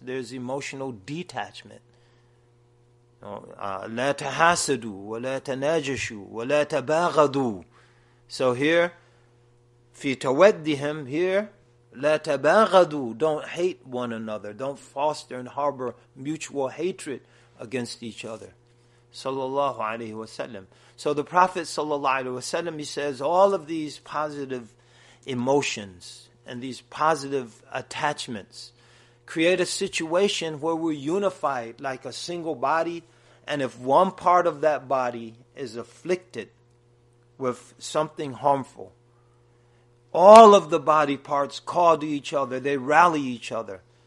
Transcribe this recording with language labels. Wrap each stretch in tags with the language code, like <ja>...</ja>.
<en>There's emotional detachment.</en> <ar>لا تحاسدوا ولا تناجشوا ولا تباغضوا.</ar> <en>So here,</en> <ar>في توديهم,</ar> <en>here,</en> <ar>لا تباغضوا,</ar> <en>don't hate one another. Don't foster and harbor mutual hatred against each other. Sallallahu alayhi wa sallam. So the Prophet sallallahu alayhi wa sallam, he says, all of these positive emotions and these positive attachments create a situation where we're unified like a single body, and if one part of that body is afflicted with something harmful, all of the body parts call to each other, they rally each other.</en>